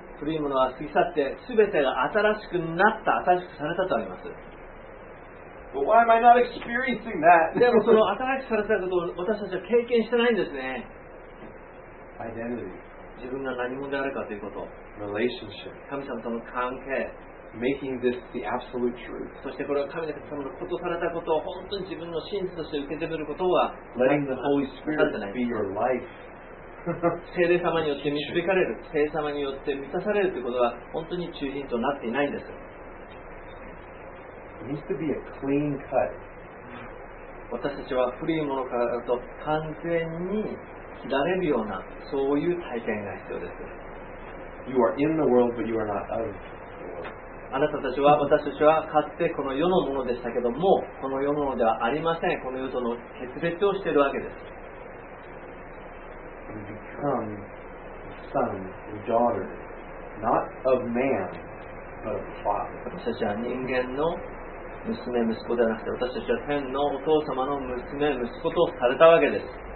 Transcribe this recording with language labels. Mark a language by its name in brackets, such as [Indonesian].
[Japanese] 古いものは過ぎ去って、すべてが新しくなった、新しくされたとあります。 [English] But why am I not experiencing that? [Japanese] でもその新しくされたことを私たちは経験してないんですね。 [English] Identity. [Japanese] 自分が何者であるかということ。 [English] Relationship. [Japanese] 神様との関係。 [English] Making this the absolute truth. [Japanese] そしてこれは神様のことされたことを本当に自分の真実として受け止めることは [English] Letting the Holy Spirit be your life. [Japanese] 聖霊様によって導かれる、聖霊様によって満たされるということは本当に中心となっていないんです。 [English] It needs to be a clean cut. [Japanese] 私たちは古いものからと完全に切られるようなそういう体験が必要です。 [English] You are in the world, but you are not out of it. [Japanese] あなたたちは、私たちはかつてこの世のものでしたけども、この世のものではありません。この世との決別をしているわけです。 [English] We become son and daughter, not of man, but of father. [Japanese] 私たちは人間の娘、息子ではなくて、私たちは天のお父様の娘、息子とされたわけです。